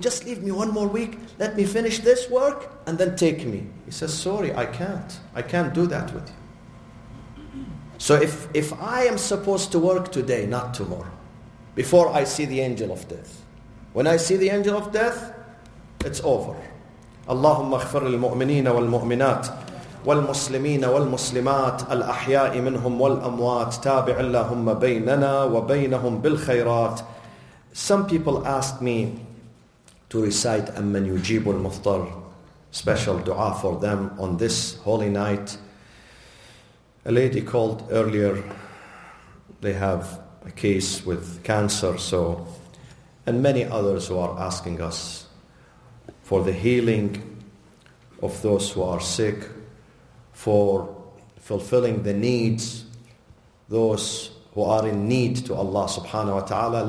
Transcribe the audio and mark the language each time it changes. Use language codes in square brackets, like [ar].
[en] Just leave me one more week. Let me finish this work and then take me. He says, sorry, I can't. I can't do that with you. So if I am supposed to work today, not tomorrow, before I see the angel of death. When I see the angel of death, it's over. [ar] Allahumma ighfir lil-mu'minina wal-mu'minat والمسلمين والمسلمات الأحياء منهم والأموات تابع اللهم بيننا وبينهم بالخيرات. [en] Some people asked me to recite [ar] أمن يجيب المفطر, [en] special dua for them on this holy night. A lady called earlier, they have a case with cancer, so, and many others who are asking us for the healing of those who are sick, for fulfilling the needs, those who are in need to Allah subhanahu wa ta'ala.